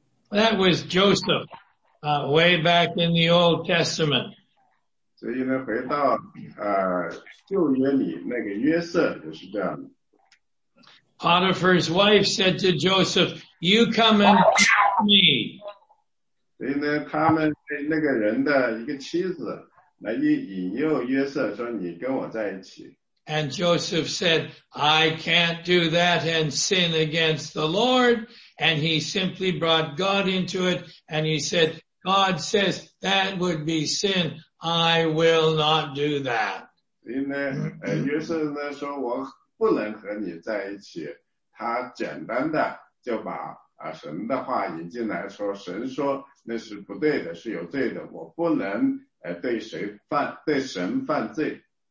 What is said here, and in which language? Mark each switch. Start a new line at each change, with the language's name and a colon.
English: That was Joseph, way back in the Old Testament.
Chinese: 所以呢回到旧约里那个约瑟也是这样的。
English: Potiphar's wife said to Joseph, you come and help me.
Chinese: 所以呢他们那个人的一个妻子来引诱约瑟说你跟我在一起。
English: And Joseph said, I can't do that and sin against the Lord. And he simply brought God into it. And he said, God says that would be sin. I will not do that.
Chinese: 所以呢约瑟呢说我不能和你在一起。他简单的就把神的话引进来说神说那是不对的是有罪的我不能对神犯罪。